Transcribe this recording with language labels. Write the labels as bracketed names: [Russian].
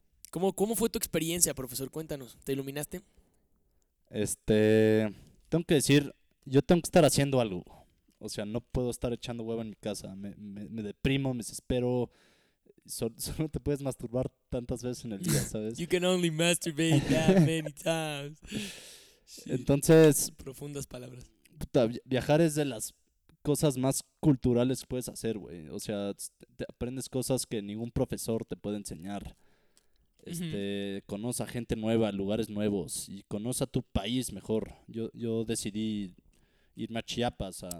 [Spanish] ¿Cómo fue tu experiencia, profesor? Cuéntanos. ¿Te iluminaste? Tengo que decir, yo tengo que estar haciendo algo. O sea, no puedo estar echando huevo en mi casa. Me deprimo, me desespero. Solo te puedes masturbar tantas veces en el día, ¿sabes? [English] You can only masturbate that many times. [Spanish] Entonces... Profundas palabras. Puta, viajar es de las cosas más culturales que puedes hacer, güey. O sea, te aprendes cosas que ningún profesor te puede enseñar. Conoce a gente nueva, lugares nuevos. Y conoce a tu país mejor. Yo decidí irme a Chiapas.